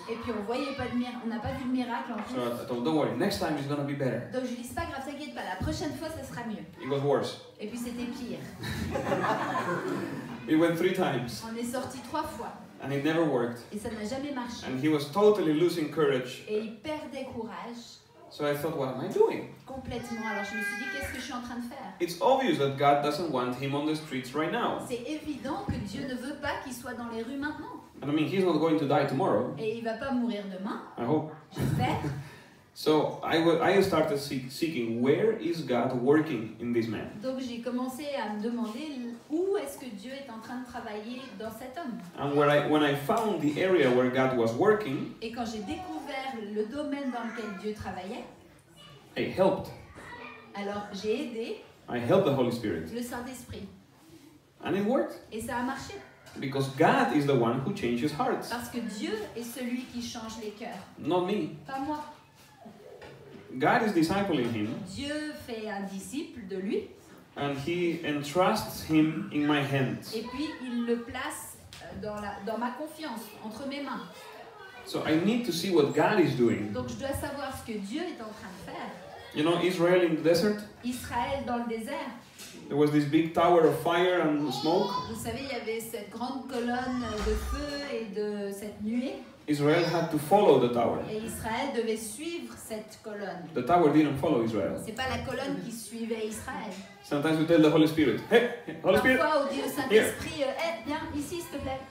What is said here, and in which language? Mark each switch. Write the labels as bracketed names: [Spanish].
[French] Et puis on voyait pas de on a pas vu de miracle en [English] so I told, don't worry, next time it's going to be better. [French] Donc je dis pas grave, t'inquiète pas. La prochaine fois, ça sera mieux. [English] It was worse. [French] Et puis c'était pire. [English] It went three times. [French] On est sorti trois fois. [English] And it never worked. [French] Et ça n'a jamais marché. [English] And he was totally losing courage. [French] Et il perdait courage. [English] So I thought, what am I doing? [French] Complètement. Alors je me suis dit, qu'est-ce que je suis en train de faire? [English] It's obvious that God doesn't want him on the streets right now. [French] C'est évident que Dieu ne veut pas qu'il soit dans les rues maintenant. [English] And I mean, he's not going to die tomorrow. [French] Et il va pas mourir demain. [English] I hope. [French] J'espère. [English] So I started seeking where is God working in this man? [French] Donc j'ai commencé à me demander où est-ce que Dieu est en train de travailler dans cet homme. [English] And when I found the area where God was working, [French] et quand j'ai découvert le domaine dans lequel Dieu travaillait, [English] I helped. [French] Alors j'ai aidé. [English] I helped the Holy Spirit. [French] Le Saint-Esprit. [English] And it worked. [French] Et ça a marché. [English] Because God is the one who changes hearts. [French] Parce que Dieu est celui qui change les cœurs. [English] Not me. [French] Pas moi. [English] God is discipling him. [French] Dieu fait un disciple de lui. [English] And he entrusts him in my hands. [French] Et puis il le place dans ma confiance, entre mes mains. [English] So I need to see what God is doing. [French] Donc je dois savoir ce que Dieu est en train de faire. [English] You know Israel in the desert? [French] Israël dans le désert. [English] There was this big tower of fire and smoke. [French] Vous savez, il y avait cette grande colonne de feu et de cette nuée. [English] Israel had to follow the tower. [French] Et Israël devait suivre cette colonne. [English] The tower didn't follow Israel. [French] C'est pas la colonne qui suivait Israël. [English] Sometimes we tell the Holy Spirit, hey, Holy Spirit, [French] parfois, on dit au Saint-Esprit, hey, viens ici, s'il te plaît.